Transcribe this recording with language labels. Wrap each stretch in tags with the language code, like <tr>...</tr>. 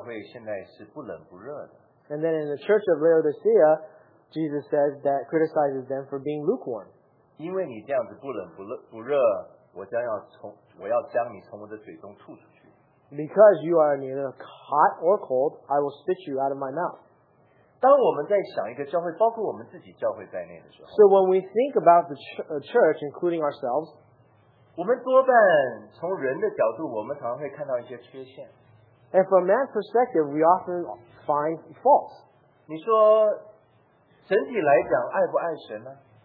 <zh>在老底家的教会，主耶稣基督说：“你们这个教会现在是不冷不热的。”</zh> <en>And then in the church of Laodicea, Jesus says that criticizes them for being lukewarm.</en> <zh>因为你这样子不冷不热，我将要从我要将你从我的嘴中吐出去。</zh> <en>Because you are neither hot or cold, I will spit you out of my mouth.</en> <zh>当我们在想一个教会，包括我们自己教会在内的时候，</zh> <en>So when we think about the church, including ourselves,</en> <zh>我们多半从人的角度，我们常常会看到一些缺陷。</zh> <en>And from man's perspective, we often find faults.</en> <zh>你说 整体来讲，爱不爱神呢？</zh>